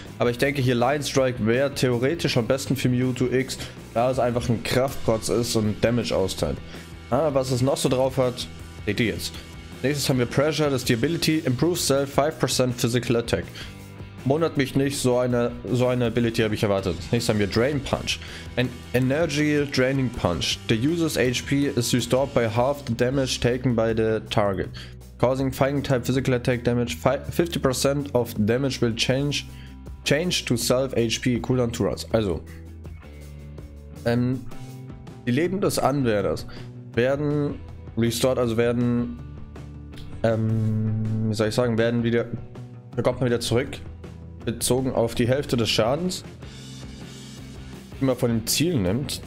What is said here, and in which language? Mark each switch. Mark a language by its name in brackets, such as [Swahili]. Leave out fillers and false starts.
[German] Aber ich denke, hier Lion Strike wäre theoretisch am besten für Mewtwo X, da es einfach ein Kraftprotz ist und Damage austeilt. Aber was es noch so drauf hat, seht ihr jetzt. Nächstes haben wir Pressure, das ist die Ability Improves Self 5% Physical Attack. Wundert mich nicht, so eine Ability habe ich erwartet. Nächstes haben wir Drain Punch. Ein Energy Draining Punch. [English] The user's HP is restored by half the damage taken by the target. Causing Fighting Type Physical Attack Damage, 50% of damage will change to self HP cooldown 2 rounds. [German] Also, die Leben des Anwärters werden restored, also werden, wie soll ich sagen, werden wieder, bekommt man wieder zurück. Bezogen auf die Hälfte des Schadens, die man von dem Ziel nimmt.